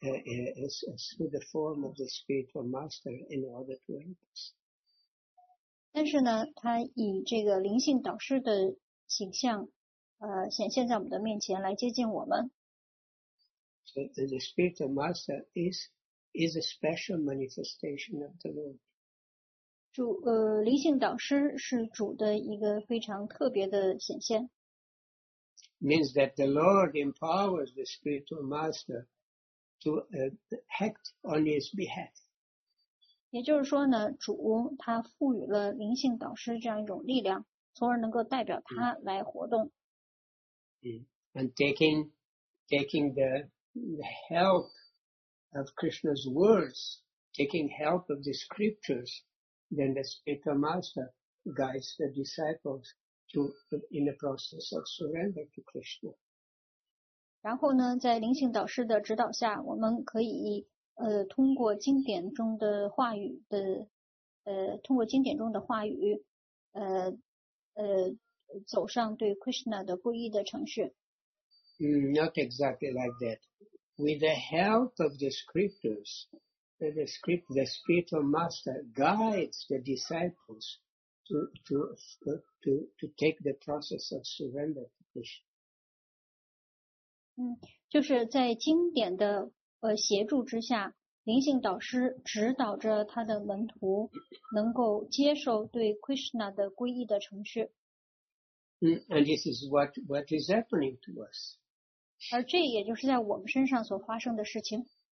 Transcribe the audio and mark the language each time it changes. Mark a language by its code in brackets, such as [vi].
[en] Through the form of the spiritual master in order to help us. [zh] 但是呢，他以这个灵性导师的形象，显现在我们的面前来接近我们。 [en] So the spiritual master is a special manifestation of the Lord. [zh] 主灵性导师是主的一个非常特别的显现。 [en] Means that the Lord empowers the spiritual master to act on his behalf. [zh] 也就是说呢，主他赋予了灵性导师这样一种力量，从而能够代表他来活动。 Mm. [en] And taking the help of Krishna's words, taking help of the scriptures, then the spiritual master guides the disciples to in the process of surrender to Krishna. [zh] 然后呢，在灵性导师的指导下，我们可以通过经典中的话语的通过经典中的话语走上对 Krishna 的皈依的程序。 [en] Not exactly like that. With the help of the scriptures, the spiritual master guides the disciples to take the process of surrender to Krishna. [zh] 就是在经典的协助之下，灵性导师指导着他的门徒能够接受对 Krishna 的皈依的程序。 [en] And this is what is happening to us. [zh] 而这也就是在我们身上所发生的事情。